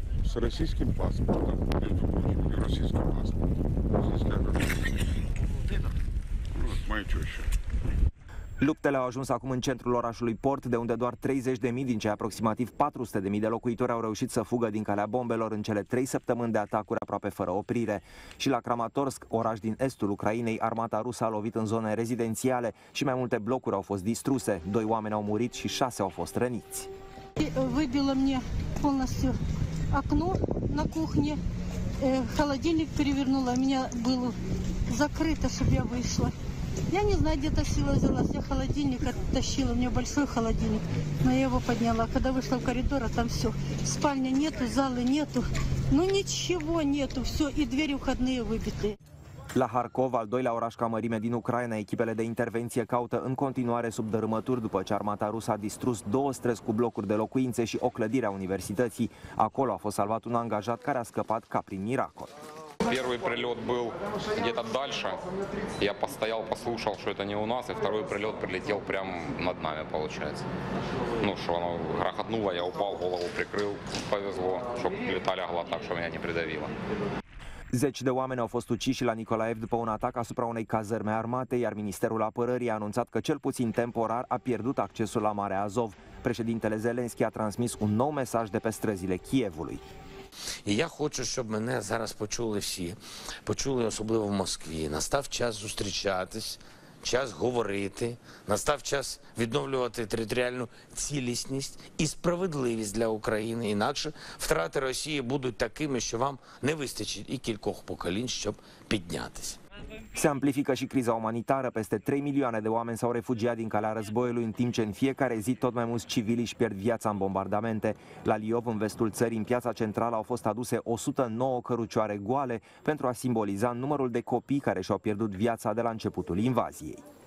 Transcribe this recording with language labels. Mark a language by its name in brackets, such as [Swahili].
[Russian] С российским паспортом, между прочим, не российским паспортом, российская гражданка. Вот моя теща. [Romanian] Luptele au ajuns acum în centrul orașului Port, de unde doar 30.000 din cei aproximativ 400.000 de locuitori au reușit să fugă din calea bombelor în cele 3 săptămâni de atacuri aproape fără oprire. Și la Kramatorsk, oraș din estul Ucrainei, armata rusă a lovit în zone rezidențiale și mai multe blocuri au fost distruse. 2 oameni au murit și 6 au fost răniți. [Ukrainian] Вибило мені повністю вікно на кухні, холодильник перевернуло, у мене було закрито, щоб я вийшла. [Russian] Я не знаю, где эта сила взялась. Я холодильник оттащила, у меня большой холодильник, но я его подняла. Когда вышла в коридор, а там все, спальня нету, залы нету, ну ничего нету, все, и двери входные выбиты. [Romanian] La Harkov, al doilea oraș ca mărime din Ucraina, echipele de intervenție caută în continuare sub dărâmături după ce armata rusă a distrus două străzi cu blocuri de locuințe și o clădire a universității. Acolo a fost salvat un angajat care a scăpat ca prin miracol. [Russian] Первый прилет был где-то дальше. Я постоял, послушал, что это не у нас. И второй прилет прилетел прямо над нами, получается. Ну, что оно грохотнуло, я упал, голову прикрыл. Повезло, что летали огла так, что меня не придавило. [Romanian] Zeci de oameni au fost uciși la Nicolaev după un atac asupra unei cazărme armate, iar Ministerul Apărării a anunțat că cel puțin temporar a pierdut accesul la Marea Azov. Președintele Zelenski a transmis un nou mesaj de pe străzile Kievului. [Ukrainian] Я хочу, щоб мене зараз почули всі, почули особливо в Москві. Настав час зустрічатись, час говорити, настав час відновлювати територіальну цілісність і справедливість для України. Інакше втрати Росії будуть такими, що вам не вистачить і кількох поколінь, щоб піднятися. [Romanian] Se amplifică și criza umanitară. Peste 3 milioane de oameni s-au refugiat din calea războiului, în timp ce în fiecare zi tot mai mulți civili își pierd viața în bombardamente. La Liov, în vestul țării, în piața centrală, au fost aduse 109 cărucioare goale pentru a simboliza numărul de copii care și-au pierdut viața de la începutul invaziei.